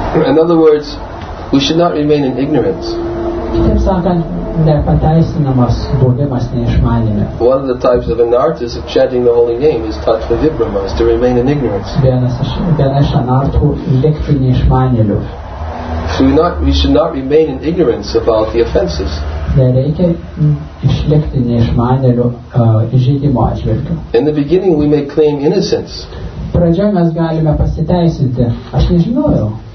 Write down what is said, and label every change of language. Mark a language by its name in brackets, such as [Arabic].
[English] In other words, we should not remain in ignorance. [Lithuanian] Kitaip sakant, nepateisinamas būdimas neišmanime. [English] One of the types of anartis of chanting the holy name is tattva vibhrama, is to remain in ignorance. [Lithuanian] Vienas anartų likti neišmanėliu. [English] We should not remain in ignorance about the offenses. [Lithuanian] Nereikia išlikti neišmanėliu įžeidimo atžvilgiu. [English] In the beginning we may claim innocence. [Lithuanian] Pradžioje mes galime pasiteisinti. Aš nežinojau.